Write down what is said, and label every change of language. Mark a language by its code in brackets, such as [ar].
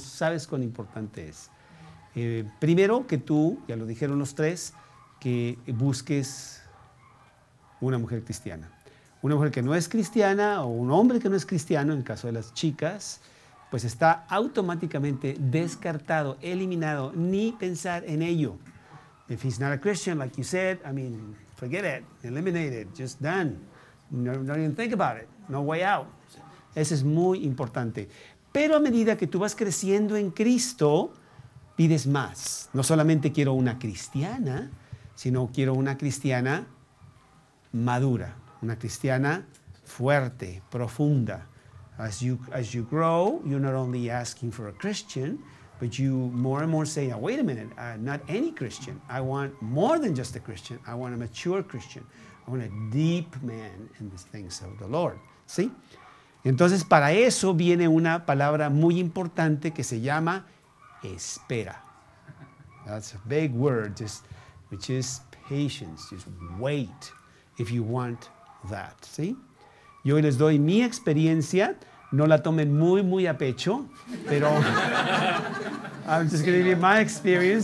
[es] Sabes cuán importante es. Primero, que tú, ya lo dijeron los tres, que busques una mujer cristiana. Una mujer que no es cristiana o un hombre que no es cristiano, en el caso de las chicas, pues está automáticamente descartado, eliminado, ni pensar en ello. [en] If he's not a Christian, like you said, I mean, forget it, eliminated, just done. No, don't even think about it, no way out. [es] Eso es muy importante. Pero a medida que tú vas creciendo en Cristo, pides más. No solamente quiero una cristiana, sino quiero una cristiana madura, una cristiana fuerte, profunda. [en] As you grow, you're not only asking for a Christian, but you more and more say, oh, wait a minute, not any Christian. I want more than just a Christian. I want a mature Christian. I want a deep man in the things of the Lord. [es] ¿Sí? Entonces, para eso viene una palabra muy importante que se llama espera. [en] That's a big word, which is patience, just wait, if you want that. [es] ¿Sí? Yo les doy mi experiencia. No la tomen muy, muy a pecho, pero [en] I'm just going to give you my experience.